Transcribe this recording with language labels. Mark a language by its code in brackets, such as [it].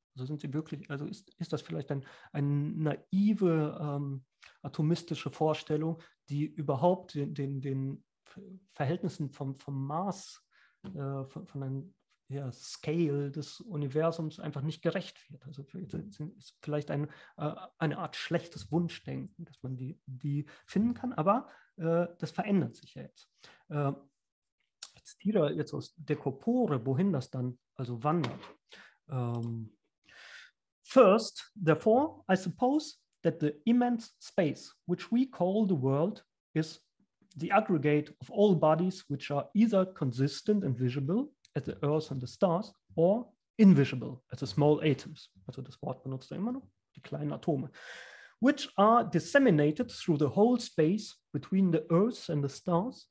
[de] Also sind sie wirklich, also ist das vielleicht eine naive atomistische Vorstellung, die überhaupt den Verhältnissen vom Maß, von einem ja, Scale des Universums einfach nicht gerecht wird. Also ist vielleicht eine Art schlechtes Wunschdenken, dass man die finden kann, aber das verändert sich ja jetzt. Ich zitiere jetzt aus De Corpore, wohin das dann also wandert. [en] First, therefore, I suppose that the immense space, which we call the world, is the aggregate of all bodies which are either consistent and visible as the earth and the stars or invisible as the small atoms. [de] Also das Wort benutzt er immer noch, die kleinen Atome. [en] Which are disseminated through the whole space between the earth and the stars.